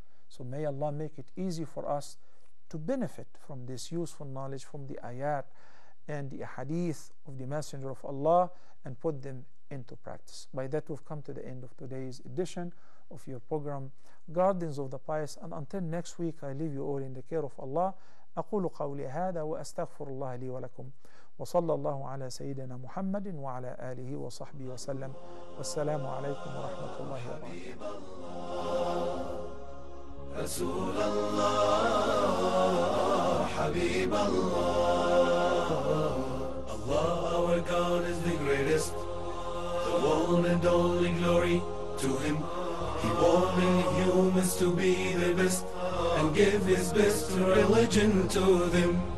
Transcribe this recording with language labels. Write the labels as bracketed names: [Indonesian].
[English] So may Allah make it easy for us to benefit from this useful knowledge, from the ayat and the hadith of the Messenger of Allah, and put them into practice. By that, we've come to the end of today's edition of your program, Gardens of the Pious. And until next week, I leave you all in the care of Allah. [Arabic] أقول قولي هذا وأستغفر الله لي ولكم وصلى الله على سيدنا محمد وعلى آله وصحبه وسلم والسلام عليكم ورحمة الله وبركاته. حبيب الله رسول الله حبيب الله الله [English] our God is the greatest the one and only glory to him he wanted humans to be the best and give his best religion to them.